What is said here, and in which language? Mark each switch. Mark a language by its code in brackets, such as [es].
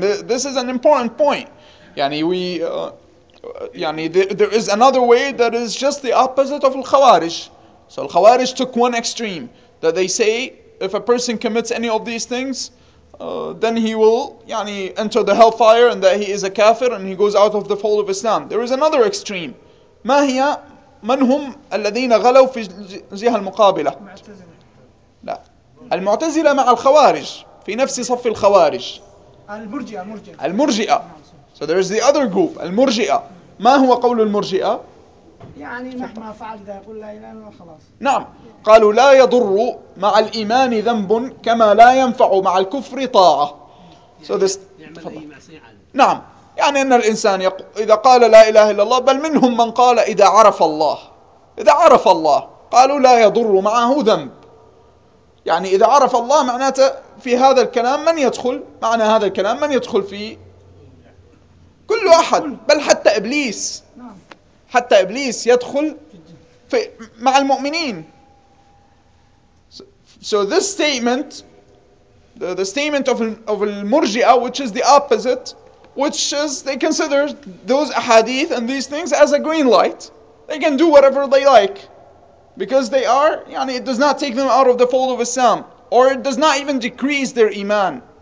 [en] This is an important point. يعني we there is another way that is just the opposite of الخوارج. So الخوارج took one extreme that they say if a person commits any of these things, then he will enter the hellfire and that he is a kafir and he goes out of the fold of Islam. There is another extreme. [ar] ما هي من هم الذين غلوا في الجهة المقابلة؟ المعتزلة. لا. المعتزلة مع الخوارج في نفس صف الخوارج. المرجئة. المرجئة. [en] So there is the other group. [ar] المرجئة. ما هو قول المرجئة؟ يعني مهما فعل ده يقول لا إله إلا خلاص. نعم. قالوا لا يضر مع الإيمان ذنب كما لا ينفع مع الكفر طاعة. [en] So this. [ar] يعمل أي معصية. نعم. يعني أن الإنسان إذا قال لا إله إلا الله, بل منهم من قال إذا عرف الله, إذا عرف الله قالوا لا يضر معه ذنب. يعني إذا عرف الله معناته في هذا الكلام من يدخل, معنى هذا الكلام من يدخل فيه؟ كل أحد, بل حتى إبليس. حتى إبليس يدخل في مع المؤمنين. [en] So this statement, the statement of المرجئة, which is the opposite, which is they consider those ahadith and these things as a green light. They can do whatever they like because they are, it does not take them out of the fold of Islam, or it does not even decrease their iman.